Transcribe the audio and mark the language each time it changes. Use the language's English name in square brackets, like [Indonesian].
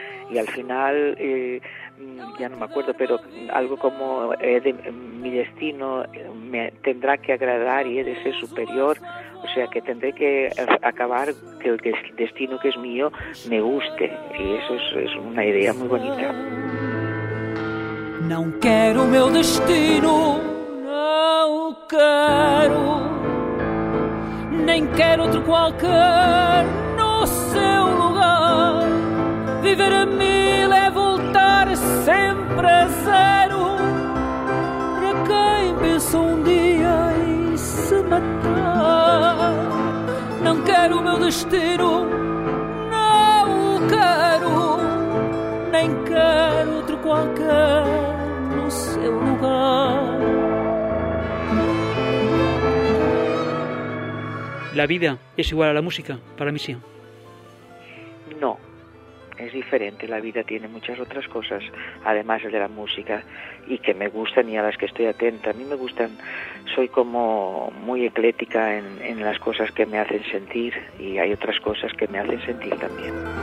[Spanish] Y al final, ya no me acuerdo, pero algo como mi destino me tendrá que agradar y he de ser superior, o sea que tendré que acabar que el destino que es mío me guste, y eso es una idea muy bonita. No quiero mi destino, no quiero, ni quiero otro cualquier en su lugar. [Portuguese] Viver a mil é voltar sempre a zero. Para quem pensou um dia em se matar, não quero o meu destino, não o quero, nem quero outro qualquer no seu lugar. [Spanish] La vida es igual a la música, para mí sí. No. Es diferente, la vida tiene muchas otras cosas, además de la música, y que me gustan y a las que estoy atenta. A mí me gustan, soy como muy eclética en las cosas que me hacen sentir, y hay otras cosas que me hacen sentir también.